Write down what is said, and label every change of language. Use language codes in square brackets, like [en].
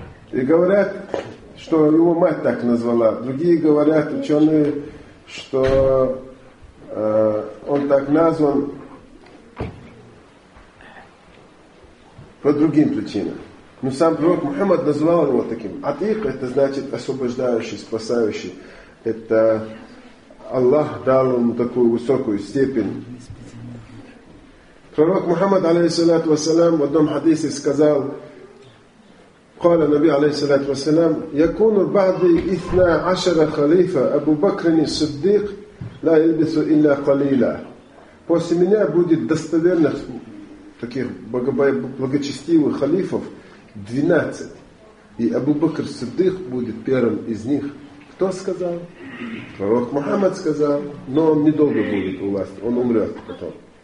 [ru] И говорят, что его мать так назвала. Другие говорят, ученые, что он так назван по другим причинам. Но сам пророк Мухаммад назвал его таким. Атик – это значит освобождающий, спасающий. Это Аллах дал ему такую высокую степень. Пророк Мухаммад, алейхиссалату ассалям, в одном хадисе сказал, [ar] قال النبي عليه الصلاة والسلام يكون بعد إثنى عشر خليفة أبو بكر الصديق لا يلبس إلا قليلا. [ru] После меня будет достоверных таких благочестивых халифов 12, и Абу Бакр Саддик будет первым из них. Кто сказал? Пророк Мухаммад сказал, но он недолго будет у власти, он умрет потом.